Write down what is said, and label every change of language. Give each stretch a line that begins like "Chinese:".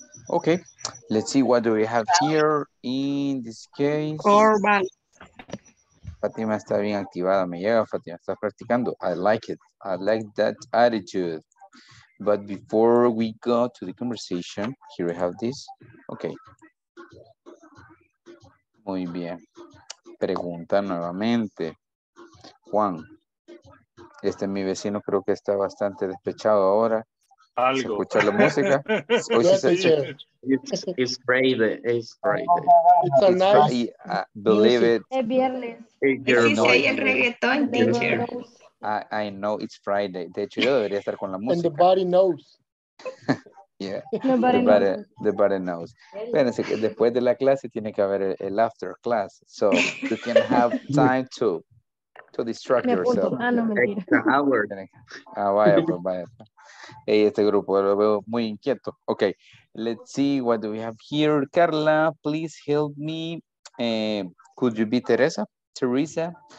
English: Okay, let's see, what do we have here in this case? Core values.
Spanish: Fatima está bien activada, me llega Fatima, está practicando.
English: I like it, I like that attitude. But before we go to the conversation, here we have this. Okay.
Spanish: Muy bien. Pregunta nuevamente. Juan, este mi vecino creo que está bastante despechado ahora. Algo. ¿Se escucha la música?
English: It's Friday. It's Friday. It's so nice. Friday. Believe it.
Spanish: Es viernes. Es viernes. Es el reggaetón, teacher.
English: I know it's Friday.
Spanish: De hecho, yo debería estar con la música.
English: And the body knows. Yeah. Nobody the body knows. The body knows.
Spanish: Espérense que después de la clase tiene que haber el after class.
English: So you can have time to distract yourself.
Spanish: Ah, no, mentira. Ah, vaya, pues vaya. Hey, este grupo lo veo muy inquieto. Okay.
English: Let's see what do we have here. Carla, please help me. Could you be Teresa? Teresa.